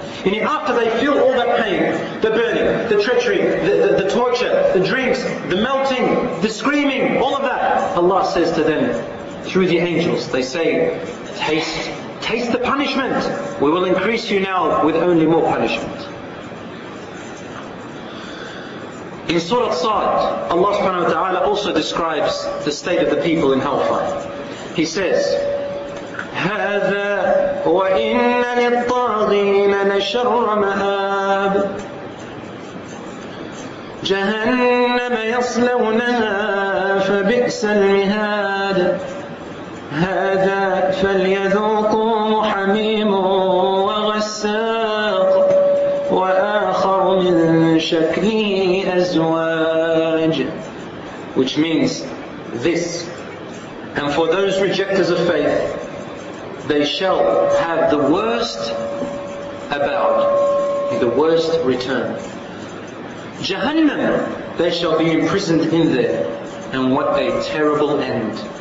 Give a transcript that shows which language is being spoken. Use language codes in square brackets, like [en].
[en] And after they feel all that pain, the burning, the treachery, the torture, the drinks, the melting, the screaming, all of that, Allah says to them, through the angels, they say, taste the punishment. We will increase you now with only more punishment. In Surah Sa'd, Allah subhanahu wa ta'ala also describes the state of the people in hellfire. He says, [ar] هَذَا وَإِنَّ لِلطَّاغِينَ لَشَرَّ مَآبٍ جَهَنَّمَ يَصْلَوْنَهَا فَبِئْسَ الْمِهَادَ هَذَا فَلْيَذُوقُوهُ حَمِيمٌ وَغَسَّاقٌ وَآخَرُ مِنْ شَكْلِهِ أَزْوَاجٌ, [en] which means this And for those rejectors of faith, they shall have the worst about, the worst return. Jahannam, they shall be imprisoned in there, and what a terrible end.